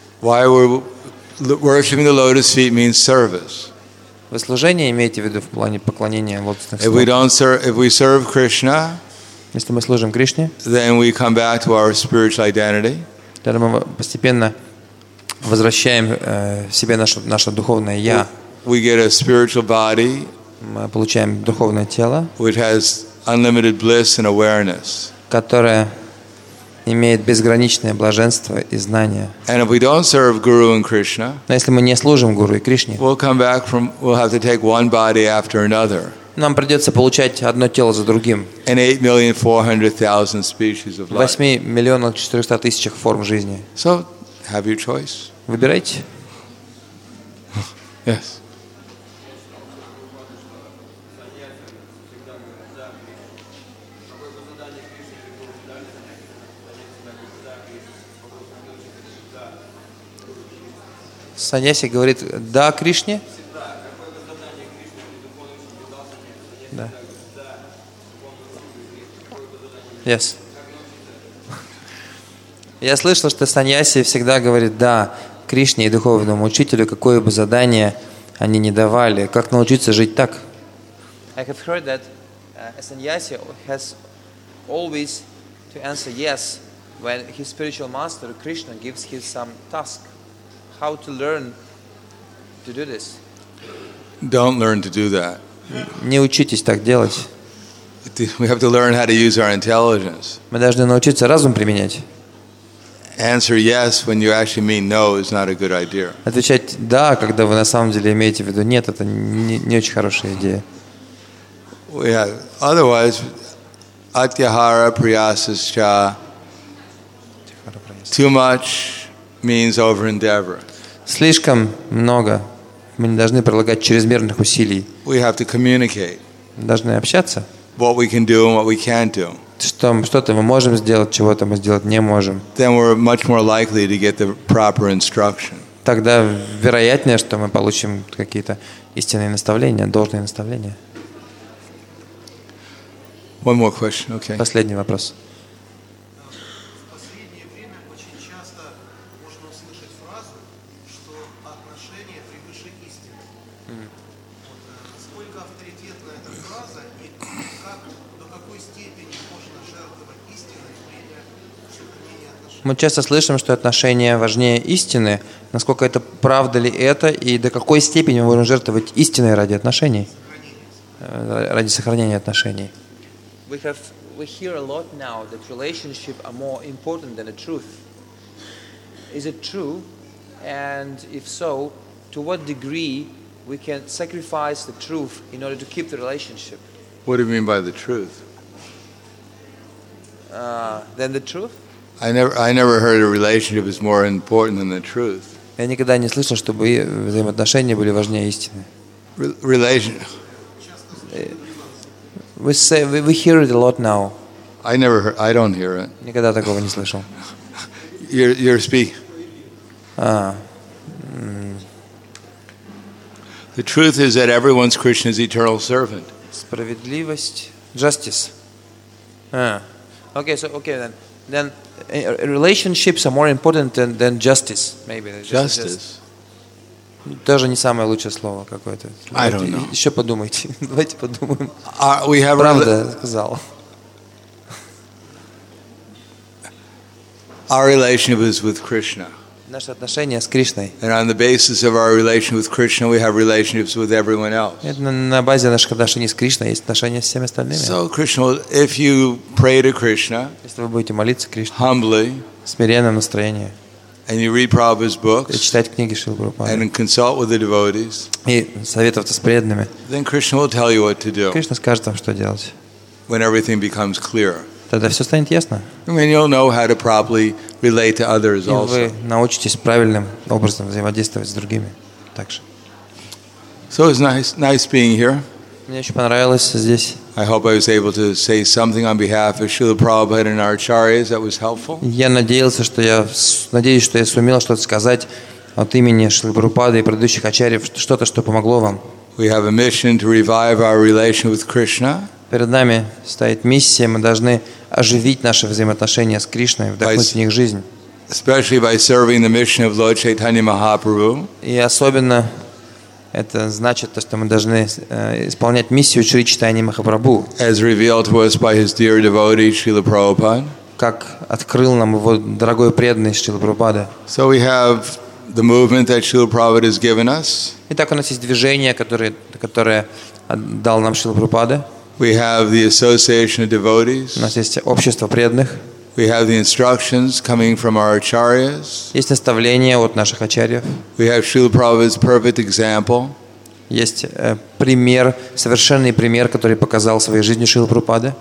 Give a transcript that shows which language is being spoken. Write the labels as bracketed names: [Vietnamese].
[English] Why we're worshipping the lotus feet means service. [Russian] Вы служение имеете в виду в плане поклонения лотосных стоп? [English] If we serve Krishna, [Russian] если мы служим Кришне, [English] then we come back to our spiritual identity. [Russian] Тогда мы постепенно возвращаем себе наше духовное «я». [English] We get a spiritual body, [Russian] мы получаем духовное тело, [English] which has unlimited bliss and awareness, [Russian] которое имеет безграничное блаженство и знание. [English] And if we don't serve Guru and Krishna, [Russian] но если мы не служим Гуру и Кришне, [English] we'll come back from, we'll have to take one body after another. [Russian] Нам придется получать одно тело за другим. 8 400 000 форм жизни. [English] So, have your choice. [Russian] Выбирайте. [English] Yes. [Russian] Саньяси говорит «да» Кришне. Да. [English] Yes. [Russian] Я слышал, что саньяси всегда говорит «да» Кришне и духовному учителю, какое бы задание они ни давали. Как научиться жить так? [English] I have heard that a sannyasi has always to answer yes when his spiritual master Krishna gives him some task. How to learn to do this? Don't learn to do that. [Russian] Не учитесь так делать. [English] We have to learn how to use our intelligence. [Russian] Мы должны научиться разум применять. [English] Answer yes when you actually mean no is not a good idea. [Russian] Отвечать да, когда вы на самом деле имеете в виду нет, это не очень хорошая идея. [English] Yeah. Otherwise, [Sanskrit] atyahara priyasascha. [English] Too much means over endeavor. [Russian] Слишком много. Мы не должны прилагать чрезмерных усилий. [English] We have to communicate. [Russian] Должны общаться. [English] What we can do and what we can't do. [Russian] Что-то мы можем сделать, чего-то мы сделать не можем. [English] Then we're much more likely to get the proper instruction. [Russian] Тогда вероятнее, что мы получим какие-то истинные наставления, должные наставления. [English] One more question. Okay. [Russian] Последний вопрос. Мы часто слышим, что отношения важнее истины. Насколько это правда ли это, и до какой степени мы можем жертвовать истиной ради отношений? Ради сохранения отношений. [English] We hear a lot now that relationships are more important than the truth. Is it true? And if so, to what degree we can sacrifice the truth in order to keep the relationship? What do you mean by the truth? Than the truth? I never heard a relationship is more important than the truth. [Russian] Я никогда не слышал, чтобы взаимоотношения были важнее истины. [English] Relationship. We hear it a lot now. I don't hear it. [Russian] Никогда такого не слышал. [English] You're speaking. The truth is that everyone's Krishna is eternal servant. [Russian] Справедливость. [English] Justice. Okay, then. Then relationships are more important than justice, maybe. Justice. [Russian] Даже не самое лучшее слово какое-то. [English] I don't know. [Russian] Еще подумайте. Давайте подумаем. [English] We have [Russian] правда сказал. [English] Our relationship is with Krishna. [Russian] наши отношения с Кришной. [English] And on the basis of our relationship with Krishna, we have relationships with everyone else. [Russian] На базе наших отношений с Кришной есть отношения с всеми остальными. [English] So, Krishna, if you pray to Krishna, [Russian] если вы будете молиться Кришне, [English] humbly, [Russian] смиренное настроение, [English] and you read Prabhupada's books, [Russian] и читать книги Шрилы Прабхупады, [English] and consult with the devotees, [Russian] и советоваться с преданными, [English] then Krishna will tell you what to do. [Russian] Кришна скажет вам, что делать. [English] When everything becomes clear. [Russian] Тогда все станет ясно. [English] And you'll know how to properly relate to others also. [Russian] И вы научитесь правильным образом взаимодействовать с другими также. [English] So it's nice being here. [Russian] Мне очень понравилось здесь. [English] I hope I was able to say something on behalf of Srila Prabhupada and our acharyas that was helpful. [Russian] Я надеюсь, что я сумел что-то сказать от имени Шрилы Прабхупады и предыдущих ачарьев, что-то, что помогло вам. [English] We have a mission to revive our relation with Krishna. [Russian] Перед нами стоит миссия, мы должны оживить наши взаимоотношения с Кришной, вдохнуть в них жизнь. [English] Especially by serving the mission of Lord Chaitanya Mahaprabhu. [Russian] И особенно это значит то, что мы должны исполнять миссию Шри Чайтанья Махапрабху. [English] As revealed to us by his dear devotee Srila Prabhupada. [Russian] Как открыл нам его дорогой преданный Шрила Прабхупада. [English] So we have the movement that Srila Prabhupada has given us. [Russian] Итак, у нас есть движение, которое дал нам Шрила Прабхупада. [English] We have the association of devotees. [Russian] У нас есть общество преданных. [English] We have the instructions coming from our acharyas. [Russian] Есть наставления от наших ачарьев. [English] We have Srila Prabhupada's perfect example. [Russian] Есть пример, совершенный пример, который показал своей жизнью Шрила Прабхупада.